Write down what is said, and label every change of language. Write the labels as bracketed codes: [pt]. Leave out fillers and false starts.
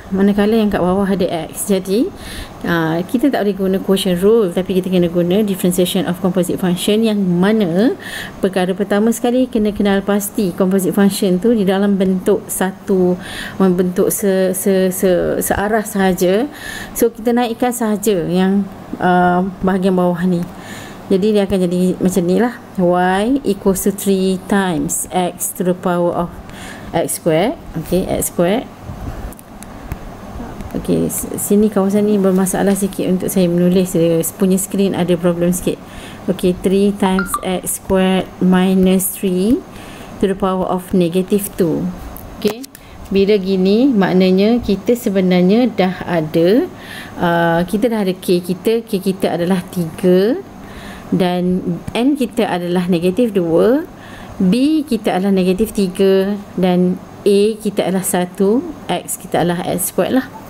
[ms] Manakala yang kat bawah ada X. Jadi, kita tak boleh guna quotient rule, tapi kita kena guna differentiation of composite function, yang mana perkara pertama sekali kena kenal pasti composite function tu di dalam bentuk satu, membentuk searah sahaja. So kita naikkan sahaja yang bahagian bawah ni. Jadi dia akan jadi macam ni lah. [en] Y equals to 3 times X to the power of X squared. Okay, X squared. [ms] Okey, sini kawasan ni bermasalah sikit untuk saya menulis. Dia punya skrin ada problem sikit. Okey, [en] 3 times x squared minus 3 to the power of negative 2. [ms] Okey, bila gini maknanya kita sebenarnya dah ada, kita dah ada k kita adalah 3 dan n kita adalah negative 2, b kita adalah negative 3 dan a kita adalah 1, x kita adalah x squared lah.